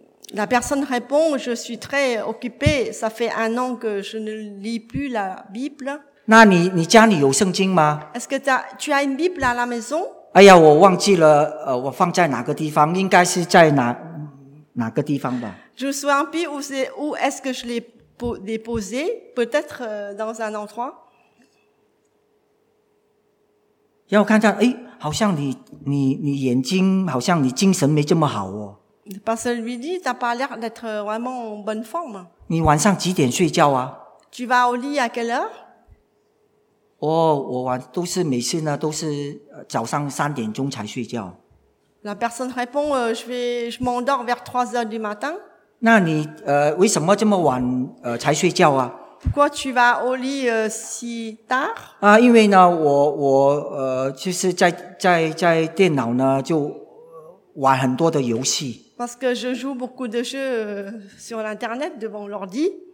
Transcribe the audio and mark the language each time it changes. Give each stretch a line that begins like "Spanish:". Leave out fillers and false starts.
French: La personne répond, je suis très occupée, ça fait un an que je ne lis plus la Bible.
Chinese: 那你家里有圣经吗？
French: Est-ce que tu as une Bible à la maison?
Chinese: 哎呀，我忘记了，我放在哪个地方？应该是在哪个地方吧
French: ？Je me souviens plus où est-ce que je l'ai déposé? Peut-être dans un endroit.
Chinese: 然后看看，哎，好像你眼睛，好像你精神没这么好哦。
French: Parce que lui dit, t'as pas l'air d'être vraiment en bonne forme.
Chinese: 你晚上几点睡觉啊
French: ？Tu vas au lit à quelle heure?
Chinese: 我晚都是每次呢都是早上三点钟才睡觉。
French: La personne répond, je m'endors vers 3h du matin.
Chinese: 那你为什么这么晚才睡觉啊
French: ?Pourquoi tu vas au lit si tard?
Chinese: 啊因为呢我就是在电脑呢就玩很多的游戏。
French: Parce que je joue beaucoup de jeux sur l'internet devant l'ordi.